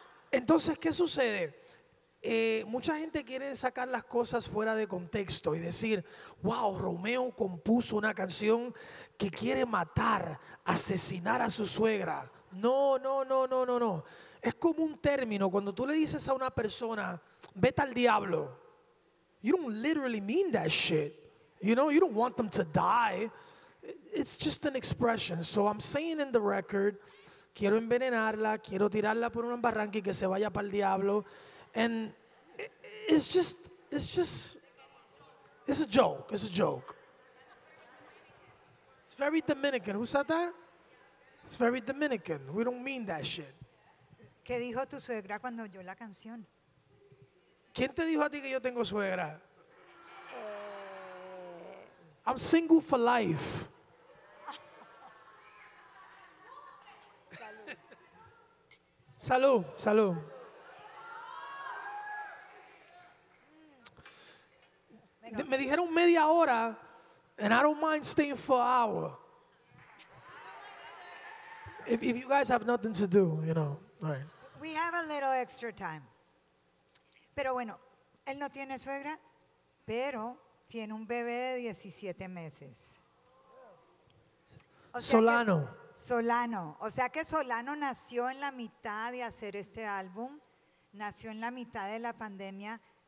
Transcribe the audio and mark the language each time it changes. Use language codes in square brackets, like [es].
[es] Entonces, ¿qué sucede? Mucha gente quiere sacar las cosas fuera de contexto y decir, wow, Romeo compuso una canción que quiere matar, asesinar a su suegra. No. Es como un término, cuando tú le dices a una persona, vete al diablo. [en] You don't literally mean that shit. You know, you don't want them to die. It's just an expression. So I'm saying in the record, [es] quiero envenenarla, quiero tirarla por un barranco y que se vaya para el diablo. [en] And it's a joke. It's a joke. It's very Dominican. Who said that? It's very Dominican. We don't mean that shit. [es] ¿Qué dijo tu suegra cuando oyó la canción? ¿Quién te dijo a ti que yo tengo suegra? [en] I'm single for life. [es] Salud. Me dijeron media hora, [en] and I don't mind staying for an hour. If you guys have nothing to do, you know, all right. We have a little extra time. [es] Pero bueno, él no tiene suegra, pero tiene un bebé de 17 meses. Solano. O sea que Solano nació en la mitad de hacer este álbum, nació en la mitad de la pandemia.